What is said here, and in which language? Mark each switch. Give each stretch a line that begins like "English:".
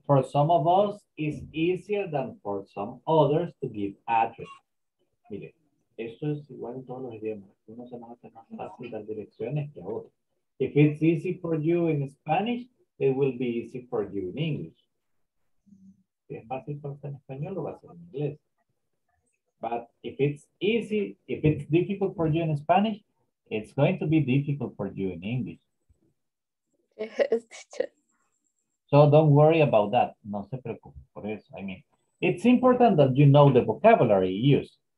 English: For some of us, it's easier than for some others to give address.
Spanish: Mire, esto es igual en todos los idiomas. Uno se nos hace más fácil dar direcciones que a otro.
English: If it's easy for you in Spanish, it will be easy for you in English.
Spanish: Si es fácil para usted en español, lo va a ser en inglés.
English: But if it's difficult for you in Spanish, it's going to be difficult for you in English. Yes, teacher. So don't worry about that.
Spanish: No se preocupe por eso.
English: I mean, it's important that you know the vocabulary you use.